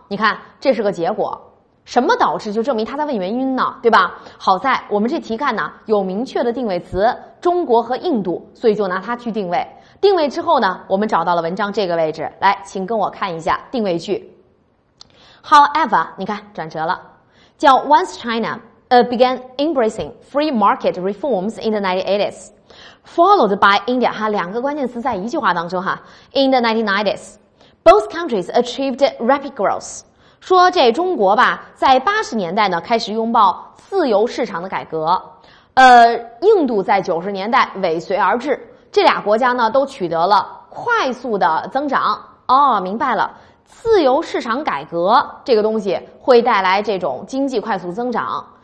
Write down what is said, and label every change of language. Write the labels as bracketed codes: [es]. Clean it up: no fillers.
[zh] 你看，这是个结果，什么导致就证明他在问原因呢，对吧？好在我们这题干呢有明确的定位词，中国和印度，所以就拿它去定位。定位之后呢，我们找到了文章这个位置，来，请跟我看一下定位句。 However， 你看转折了，叫 [en] Once China。 Began embracing free market reforms in the 1980s, followed by India. [zh] 哈，两个关键词在一句话当中哈。 [en] In the 1990s, both countries achieved rapid growth. [zh] 说这中国吧，在80年代呢开始拥抱自由市场的改革，印度在90年代尾随而至。这俩国家呢都取得了快速的增长。哦，明白了。自由市场改革这个东西会带来这种经济快速增长。